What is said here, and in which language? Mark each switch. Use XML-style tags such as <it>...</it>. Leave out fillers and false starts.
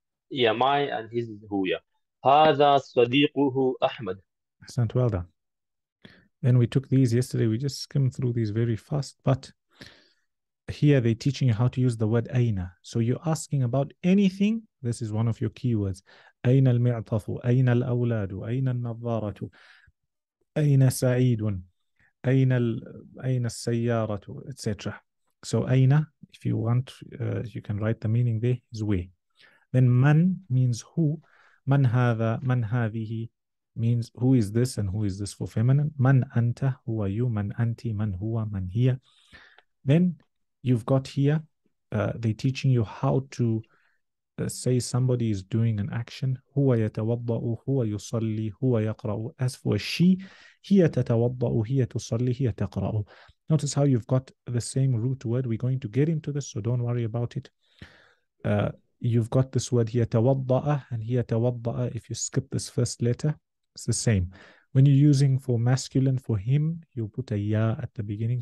<en>Yeah, my and his هو.</en> <ar>Yeah. هذا صديقه أحمد.</ar> <en>Excellent, well done. Then we took these yesterday. We just skimmed through these very fast. But here they're teaching you how to use the word أين. So you're asking about anything. This is one of your keywords.</en> <ar>أين المعطف؟ أين الأولاد؟ أين النظارة؟ أين سعيد؟ أين السيارة؟ Etc.</ar> <en>So أين, if you want, you can write the meaning there, is where. Then من means who.</en> <ar>من هذا, من هذه</ar> <en>means who is this and who is this for feminine.</en> <ar>من أنت,</ar> <en>who are you,</en> <ar>من أنت, من هو, من هي.</ar> <en>Then you've got here, they're teaching you how to say somebody is doing an action.</en> <ar>هو يتوضأ, هو يصلي, هو يقرأ.</ar> <en>As for she,</en> <ar>هي تتوضأ, هي تصلي, هي تقرأ.</ar> <en>Notice how you've got the same root word. We're going to get into this, so don't worry about it. you've got this word here, tawadda'a, and here tawadda'a, if you skip this first letter, it's the same. When you're using for masculine, for him, you'll put a ya at the beginning.</en>